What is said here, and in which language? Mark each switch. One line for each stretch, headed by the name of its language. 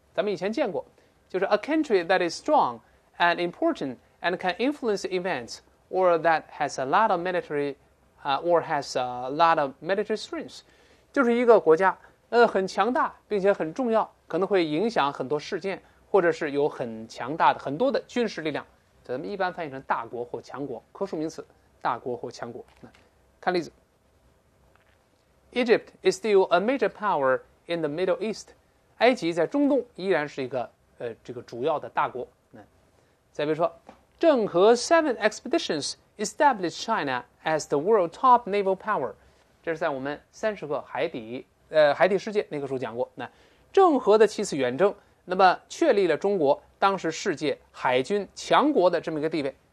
Chinese: 咱们以前见过，就是
English: a country that is strong and important and can influence events, or that has a lot of military, or has a lot of military strength,
Chinese: 就是一个国家，很强大，并且很重要，可能会影响很多事件，或者是有很强大的很多的军事力量。咱们一般翻译成大国或强国，可数名词，大国或强国。看例子。
English: Egypt is still a major power in the Middle East.
Chinese: 埃及在中东依然是一个这个主要的大国。再比如说，
English: 郑和 Seven Expeditions established China as the world top naval power.
Chinese: 这是在我们三十个海底世界那个时候讲过。郑和的七次远征，那么确立了中国当时世界海军强国的这么一个地位。